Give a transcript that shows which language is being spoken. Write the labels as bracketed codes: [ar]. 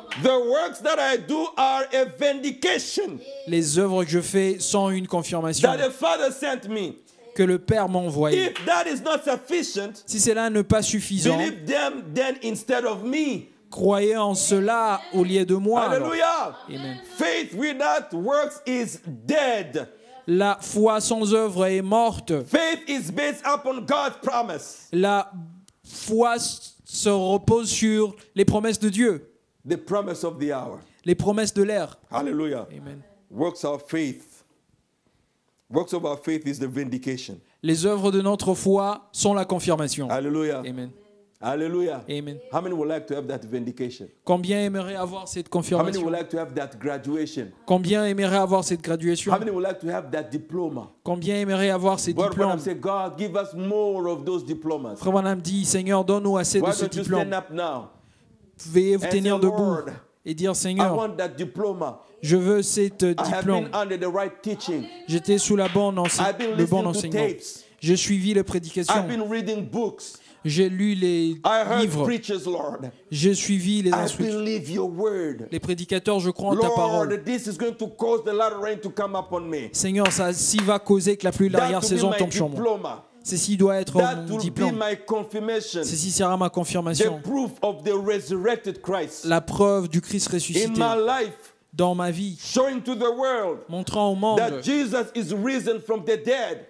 [en] The works that I do are a vindication, [fr] les œuvres que je fais sont une confirmation, [en] that the Father sent me, [fr] que le Père m'a envoyé. [en] If that is not sufficient, [fr] si cela n'est pas suffisant, [en] believe them then instead of me, [fr] croyez en cela au lieu de moi. Alléluia. Amen. [en] Faith without works is dead. [fr] La foi sans œuvre est morte. [en] Faith is based upon God's promise. [fr] La foi se repose sur les promesses de Dieu. [en] The promise of the hour. [fr] Les promesses de l'heure. Alléluia. Amen. [en] Works of faith. Works of our faith is the vindication. [fr] Les œuvres de notre foi sont la confirmation. Alléluia. Amen. [en] Hallelujah. Amen. How many would like to have that vindication? [fr] Combien aimerait avoir cette confirmation? [en] How many would like to have that graduation? [fr] Combien aimerait avoir cette graduation? [en] How many would like to have that diploma? [fr] Combien aimerait avoir ces diplômes? [en] Brother Branham said, God, give us more of those diplomas. [fr] Frère Branham dit, Seigneur, donne-nous assez de ces diplômes. [en] Why don't you stand up now? [fr] Veuillez vous tenir debout et dire, Seigneur, [en] I want that diploma. [fr] Je veux cette diplôme. [en] I have been under the right teaching. [fr] J'étais sous la bonne enseignement, le bon enseignement. J'ai suivi les prédications. [en] I've been reading books. [fr] J'ai lu les [en] I heard [fr] livres. [en] Preachers, Lord. [fr] J'ai suivi les instructions. [en] I believe your word. [fr] Les prédicateurs, je crois [en] Lord, [fr] en ta parole. [en] This is going to cause the latter rain to come upon me. [fr] Seigneur, ça si va causer que la pluie de l'arrière saison tombe sur moi. Ceci doit être [en] that [fr] mon diplôme. Ceci sera ma confirmation. [en] The proof of the resurrected Christ. [fr] La preuve du Christ ressuscité. [en] In my life, [fr] dans ma vie, [en] showing to the world, [fr] montrant au monde [en] that Jesus is risen from the dead,